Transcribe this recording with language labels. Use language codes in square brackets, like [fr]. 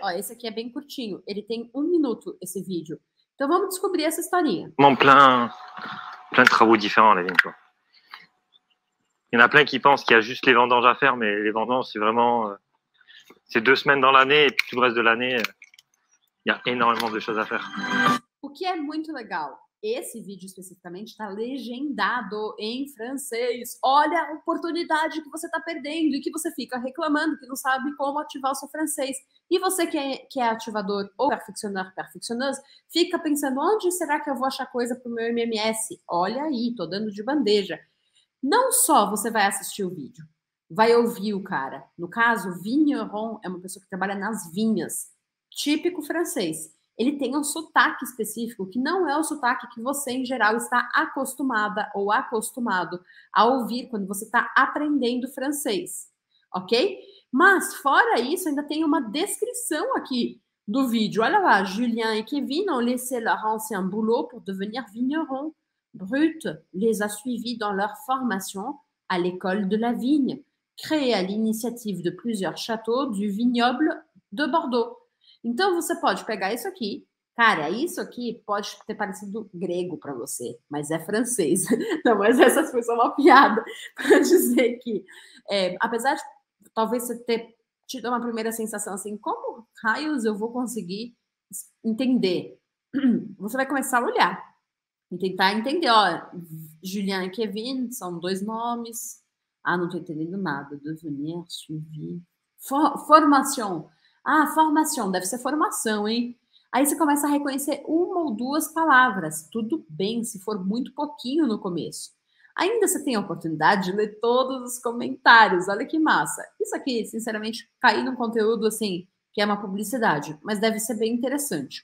[pt] Ó, esse aqui é bem curtinho. Ele tem 1 minuto, esse vídeo. Então vamos descobrir essa historinha. [fr] Bon, plein de travaux différents, la vigne, quoi. Il y en a plein qui pensent qu'il y a juste les vendanges à faire, mais les vendanges, c'est vraiment. C'est 2 semaines dans l'année, et puis tout le reste de l'année, il y a énormément de choses à faire. [pt] O que é muito legal, esse vídeo especificamente está legendado em francês. Olha a oportunidade que você está perdendo e que você fica reclamando que não sabe como ativar o seu francês. E você que é ativador ou perfeccionista, fica pensando, onde será que eu vou achar coisa para o meu MMS? Olha aí, tô dando de bandeja. Não só você vai assistir o vídeo, vai ouvir o cara. No caso, vigneron é uma pessoa que trabalha nas vinhas, típico francês. Ele tem um sotaque específico que não é o sotaque que você, em geral, está acostumada ou acostumado a ouvir quando você está aprendendo francês, ok? Mas, fora isso, ainda tem uma descrição aqui do vídeo. Olha lá, [fr] Julien e Kevin ont laissé leur ancien boulot pour devenir vigneron. Brut les a suivis dans leur formation à l'école de la vigne, créée à l'initiative de plusieurs châteaux du vignoble de Bordeaux. [pt] Então você pode pegar isso aqui, cara. Isso aqui pode ter parecido grego para você, mas é francês. Não, mas essa foi só uma piada para dizer que, apesar de talvez você ter tido uma primeira sensação assim, como raios eu vou conseguir entender? Você vai começar a olhar e tentar entender. Ó, Julien e Kevin são dois nomes. Ah, não estou entendendo nada. [fr] Devenir, suivi, formation. [pt] Ah, formação, deve ser formação, hein? Aí você começa a reconhecer uma ou duas palavras. Tudo bem, se for muito pouquinho no começo. Ainda você tem a oportunidade de ler todos os comentários. Olha que massa. Isso aqui, sinceramente, cair num conteúdo assim, que é uma publicidade, mas deve ser bem interessante.